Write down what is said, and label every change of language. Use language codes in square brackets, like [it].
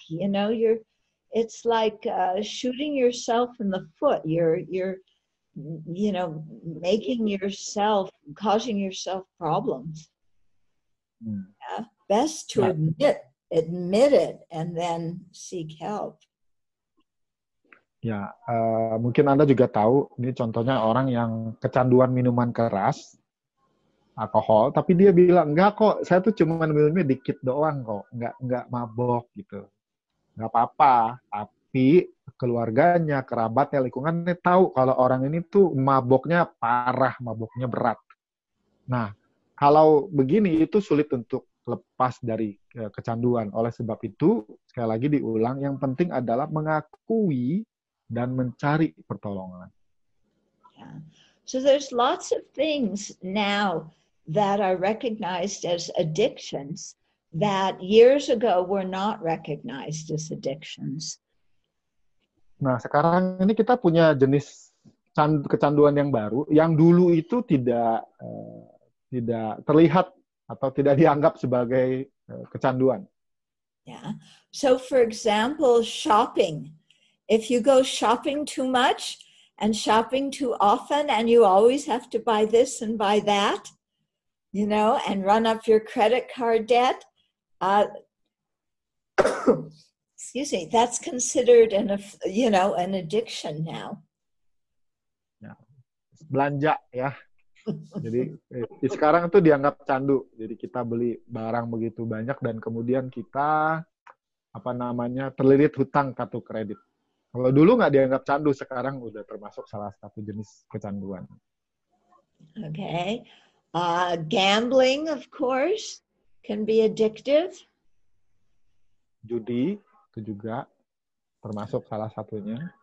[en] You know, it's like shooting yourself in the foot. You're making yourself, causing yourself problems. Yeah. Best to admit it and then seek help. [id] Ya, mungkin Anda juga tahu, ini contohnya orang yang kecanduan minuman keras, alkohol, tapi dia bilang, enggak kok, saya tuh cuma minumnya dikit doang kok, enggak mabok gitu. Enggak apa-apa, tapi keluarganya, kerabatnya, lingkungannya tahu kalau orang ini tuh maboknya parah, maboknya berat. Nah, kalau begini itu sulit untuk lepas dari kecanduan. Oleh sebab itu, sekali lagi diulang, yang penting adalah mengakui dan mencari pertolongan. [en] Yeah. So there's lots of things now that are recognized as addictions that years ago were not recognized as addictions. [id] Nah, sekarang ini kita punya jenis kecanduan yang baru yang dulu itu tidak terlihat atau tidak dianggap sebagai kecanduan. [en] Yeah. So for example, shopping. If you go shopping too much and shopping too often and you always have to buy this and buy that, you know, and run up your credit card debt, excuse me, that's considered an addiction now. Yeah. [id] Belanja ya. Jadi sekarang itu dianggap candu. Jadi kita beli barang begitu banyak dan kemudian kita terlilit hutang kartu kredit. Kalau dulu nggak dianggap candu, sekarang udah termasuk salah satu jenis kecanduan. [en] Okay. Gambling, of course, can be addictive. [id] Judi, itu juga termasuk salah satunya.